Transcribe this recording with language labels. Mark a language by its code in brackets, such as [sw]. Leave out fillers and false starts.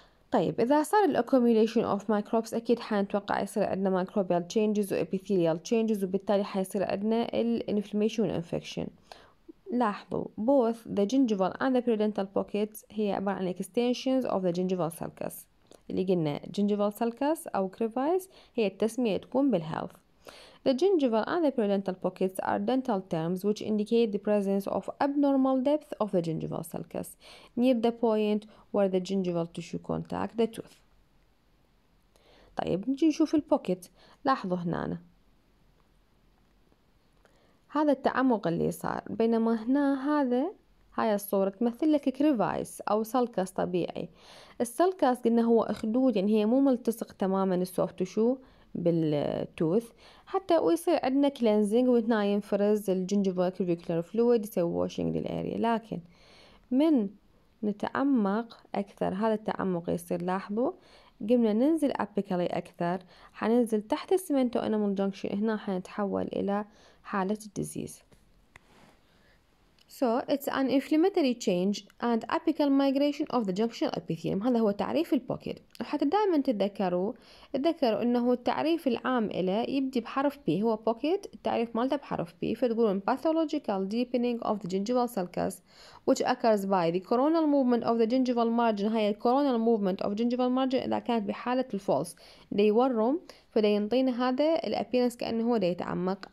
[ar] طيب إذا صار الأكوميوليشن أوف مايكروبس أكيد حنتوقع يصير عندنا مايكروبيال تشينجز وإبيثيليال تشينجز، وبالتالي حيصير عندنا الإنفلاميشن والإنفكشن. لاحظوا [en] both the gingival and the periodontal pockets [ar] هي عبارة عن [en] extensions of the gingival sulcus. [ar] اللي قلنا gingival sulcus أو crevice هي التسمية تكون بالhealth. [en] The gingival and the periodontal pockets are dental terms which indicate the presence of abnormal depth of the gingival sulcus near the point where the gingival tissue contact the tooth. [ar] طيب نجي نشوف البوكيت. لاحظوا هنا هذا التعمق اللي صار، بينما هنا هذا هاي الصورة تمثل لك كريفايس أو سلكس طبيعي. السلكس قلنا هو خدود، يعني هي مو ملتصق تماما السوفت تشو بالتوث، حتى ويصير عندنا كلينزينج وهنا ينفرز الجنجيفال كريفيكولار فلويد يسوي واشينج للأريا. لكن من نتعمق أكثر هذا التعمق يصير، لاحظوا قمنا ننزل أبيكالي أكثر، حننزل تحت السمنتو أنامال جنكشن، هنا حنتحول إلى حالة الديزيز. [en] So it's an inflammatory change and apical migration of the junctional epithelium. [ar] هذا هو تعريف البوكيت. وحتى دائما تذكروا انه التعريف العام له يبدي بحرف بي. هو بوكيت التعريف مالته بحرف بي. فتقولون [en] pathological deepening of the gingival sulcus which occurs by the coronal movement of the gingival margin. [ar] هاي [en] coronal movement of gingival margin [ar] اذا كانت بحالة الفولس دي يورم فدي ينطينا هذا الابيرنس كانه هو دي يتعمق.